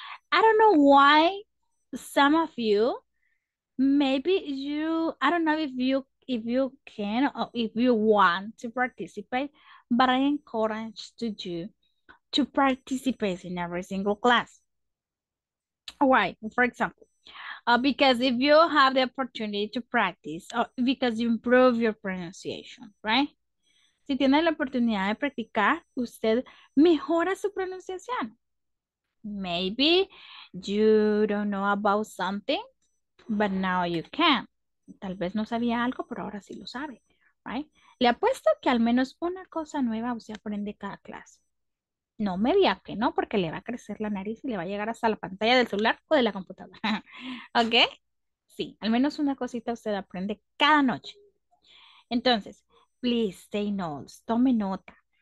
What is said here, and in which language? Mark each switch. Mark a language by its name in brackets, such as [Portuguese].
[English] I don't know why some of you, maybe you, I don't know if you can or if you want to participate, but I encourage you to participate in every single class. Why? For example, because if you have the opportunity to practice, or because you improve your pronunciation, right? [Spanish] Si tiene la oportunidad de practicar, usted mejora su pronunciación. [English] Maybe you don't know about something, but now you can. [Spanish] Tal vez no sabía algo, pero ahora sí lo sabe, right? Le apuesto que al menos una cosa nueva usted aprende cada clase. No me diga que no, porque le va a crecer la nariz y le va a llegar hasta la pantalla del celular o de la computadora. ¿Ok? Sí, al menos una cosita usted aprende cada noche. Entonces, [English] please take notes, [Spanish] tome nota.